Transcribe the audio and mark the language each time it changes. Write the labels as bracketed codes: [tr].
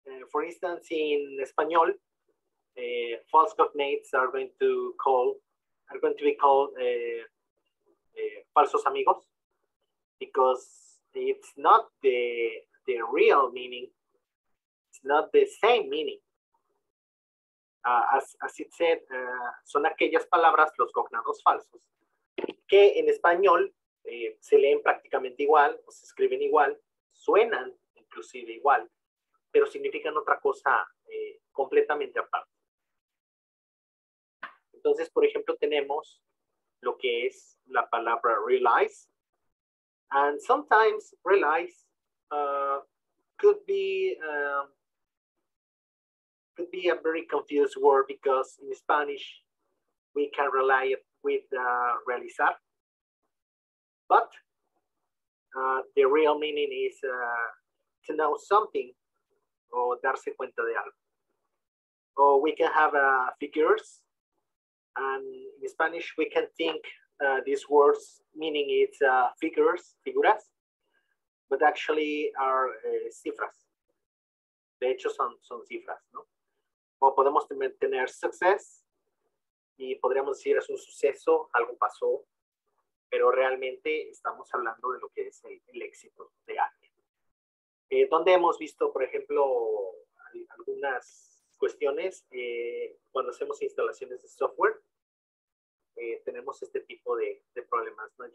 [en] For instance, in Espanol, false cognates are going to be called [es] falsos amigos, [en] because it's not the real meaning. It's not the same meaning. As it said, [es] son aquellas palabras, los cognados falsos, que en español se leen prácticamente igual, o se escriben igual, suenan inclusive igual, pero significan otra cosa completamente aparte. Entonces, por ejemplo, tenemos lo que es la palabra [en] realize, and sometimes realize could be a very confused word, because in Spanish we can rely it with realizar, but the real meaning is to know something or [es] darse cuenta de algo. [en] Or we can have figures, and in Spanish we can think these words meaning it's figuras, but actually are cifras. [es] De hecho son cifras, ¿no? O podemos tener success, y podríamos decir es un suceso, algo pasó, pero realmente estamos hablando de lo que es el éxito de alguien. Donde hemos visto, por ejemplo, algunas cuestiones, cuando hacemos instalaciones de software, tenemos este tipo de problemas, ¿no?